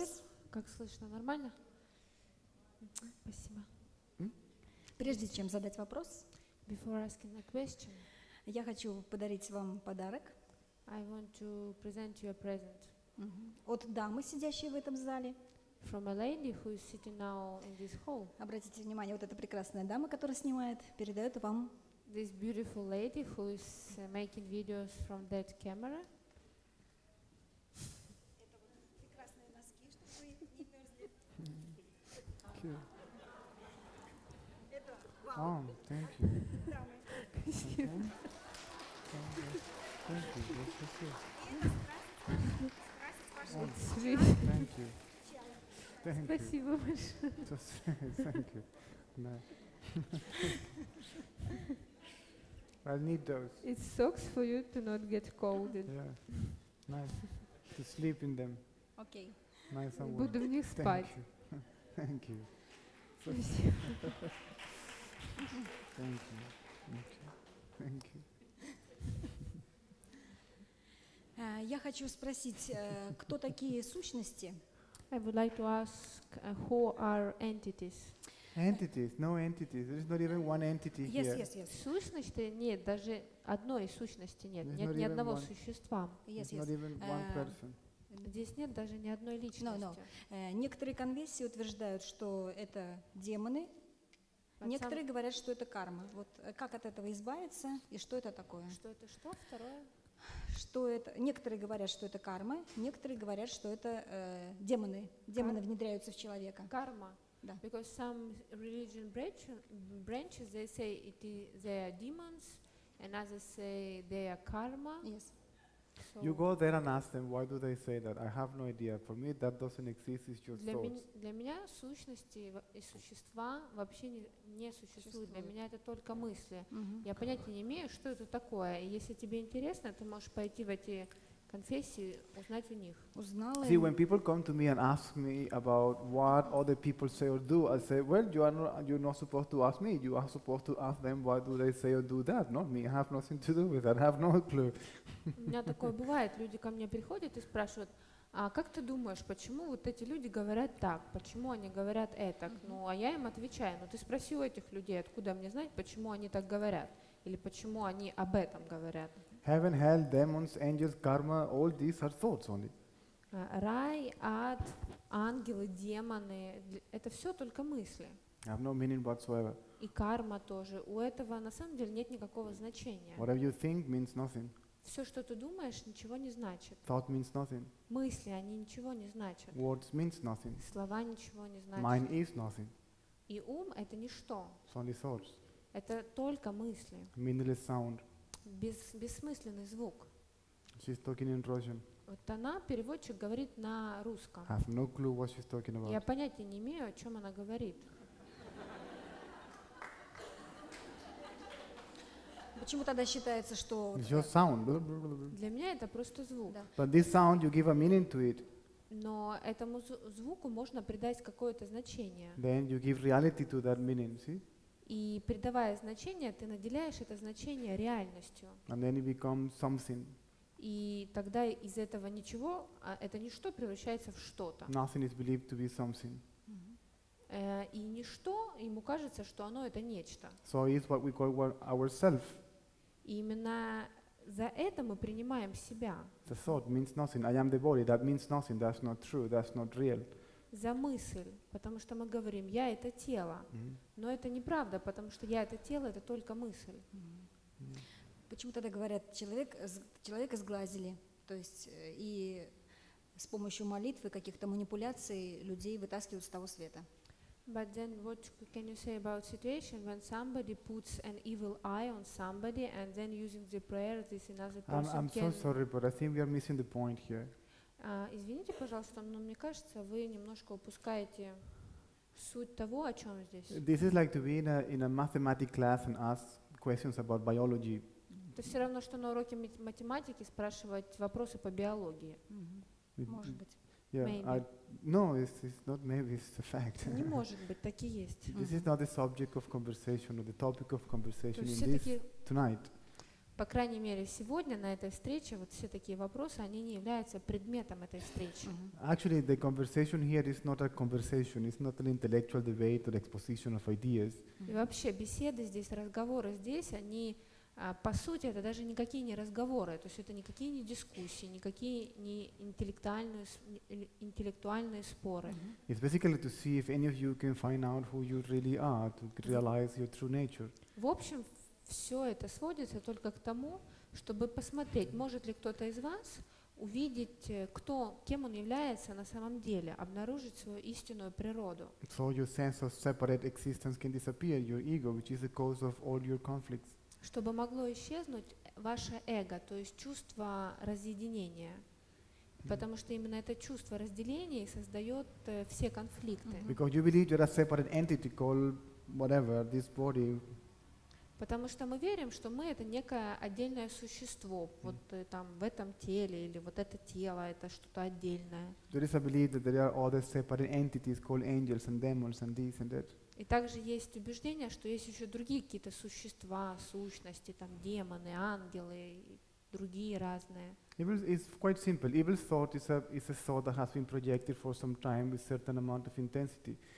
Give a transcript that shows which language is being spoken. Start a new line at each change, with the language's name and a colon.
Russian: Вечер. Как слышно, нормально? Спасибо. Прежде чем задать вопрос,
English: before asking a question,
Russian: я хочу подарить вам подарок.
English: I want to present you a present.
Russian: От дамы, сидящей в этом зале.
English: From a lady who is sitting now in this hall.
Russian: Обратите внимание, вот эта прекрасная дама, которая снимает, передает вам.
English: This beautiful lady who is making videos from that camera.
Russian: Это вот прекрасные носки, чтобы вы не мерзли. Это вам.
English: Thank you.
Russian: Спасибо.
English: Thank you. Thank you. Thank you. Thank you. Thank
Russian: Спасибо
English: you.
Russian: Большое.
English: Thank you. No. I need those. It sucks for you to not get cold. Yeah. Nice. To sleep in them. Okay. Nice and warm.
Russian: Буду в них спать.
English: Thank you. Thank you.
Russian: Спасибо.
English: Thank you. Thank you. Thank you.
Russian: Я хочу спросить, кто такие сущности?
English: I would like to ask who are entities? Entities? No entities. There is not even one entity yes, here. Yes, yes, yes.
Russian: Сущности нет, даже одной сущности нет. Нет ни одного
English: one.
Russian: Существа.
English: Yes, There's yes. Not even one person.
Russian: Здесь нет даже ни одной личности.
English: No, no.
Russian: Некоторые конфессии утверждают, что это демоны. But некоторые говорят, что это карма. Вот как от этого избавиться и что это такое? Что это что? Второе. Что это? Некоторые говорят, что это карма, некоторые говорят, что это демоны. Демоны внедряются в человека. Карма. Да.
English: Because some religion branches they say it is they are demons, and others say they are karma. Yes. So you go there and ask them why do they say that? I have no idea. For me that doesn't exist. It's just
Russian: для
English: thoughts.
Russian: Для меня сущности и существа вообще не существуют. Для меня это только мысли. Я понятия не имею, что это такое. И если тебе интересно, ты можешь пойти в эти конфессии, узнать у них. Узнала.
English: See, when people come to me and ask me about what other people say or do, I say, well, you're not supposed to ask me. You are supposed to ask them why do they say or do that, not me. I have nothing to do with that. I have no clue.
Russian: У меня такое бывает. Люди ко мне приходят и спрашивают, а как ты думаешь, почему вот эти люди говорят так? Почему они говорят это? Ну, а я им отвечаю, ну ты спроси у этих людей, откуда мне знать, почему они так говорят? Или почему они об этом говорят?
English: Heaven, hell, demons, angels, karma, all these are thoughts only.
Russian: Рай, ад, ангелы, демоны, это все только мысли.
English: I have no meaning whatsoever.
Russian: И карма тоже. У этого на самом деле нет никакого значения.
English: Whatever you think means nothing.
Russian: Все, что ты думаешь, ничего не значит.
English: Thought means nothing.
Russian: Мысли, они ничего не значат.
English: Words means nothing.
Russian: Слова ничего не значат.
English: Mind is nothing.
Russian: И ум — это ничто.
English: It's only thoughts.
Russian: Это только мысли.
English: Meaningless sound.
Russian: Бессмысленный звук.
English: She's talking in Russian.
Russian: Вот она, переводчик, говорит на русском.
English: I have no clue what she's talking about.
Russian: Я понятия не имею, о чем она говорит. Почему тогда считается, что
English: It's your sound.
Russian: Для меня это просто звук. Да.
English: But this sound, you give a meaning to it.
Russian: Но этому звуку можно придать какое-то значение.
English: Then you give reality to that meaning, see?
Russian: И придавая значение, ты наделяешь это значение реальностью.
English: And then it becomes something.
Russian: И тогда из этого ничего, это ничто превращается в что-то.
English: Nothing is believed to be something.
Russian: И ничто, ему кажется, что оно это нечто.
English: So it's what we call ourselves.
Russian: И именно за это мы принимаем себя.
English: The thought means nothing. I am the body. That means nothing. That's not true. That's not real.
Russian: За мысль, потому что мы говорим, я это тело. Но это неправда, потому что я это тело, это только мысль. Почему тогда говорят, человека сглазили, то есть и с помощью молитвы, каких-то манипуляций людей вытаскивают с того света?
English: But then what can you say about situation when somebody puts an evil eye on somebody and then using the prayer this another person I'm so sorry, but I think we are missing the point here.
Russian: Извините, пожалуйста, но мне кажется, вы немножко упускаете суть того, о чем здесь.
English: This is like to be in a mathematics class and ask questions about biology.
Russian: Это все равно, что на уроке математики спрашивать вопросы по биологии. Может быть.
English: Maybe it's not a fact.
Russian: Не может быть, так и есть.
English: This is not the subject of conversation or the topic of conversation in this tonight.
Russian: По крайней мере, сегодня на этой встрече вот все такие вопросы, они не являются предметом этой встречи.
English: Actually, the conversation here is not a conversation, it's not an intellectual debate or exposition of ideas.
Russian: И вообще беседы здесь, разговоры здесь, они по сути это даже никакие не разговоры, то есть это никакие не дискуссии, никакие не интеллектуальные споры.
English: It's basically to see if any of you can find out who you really are, to realize your true nature.
Russian: В общем, все это сводится только к тому, чтобы посмотреть, может ли кто-то из вас увидеть, кто, кем он является на самом деле, обнаружить свою истинную природу.
English: So your sense of separate existence can disappear, your ego, which is the cause of all your conflicts.
Russian: Чтобы могло исчезнуть ваше эго, то есть чувство разъединения. Потому что именно это чувство разделения создает все конфликты.
English: Because you believe you're a separate entity called whatever, this body.
Russian: Потому что мы верим, что мы — это некое отдельное существо, вот там в этом теле или вот это тело, это что-то отдельное.
English: There is a belief that there are other separate entities called angels and demons and this and that.
Russian: И также есть убеждение, что есть еще другие какие-то существа, сущности, там демоны, ангелы, другие разные.
English: Evil is quite simple. Evil thought is a thought that has been projected for some time with certain amount of intensity.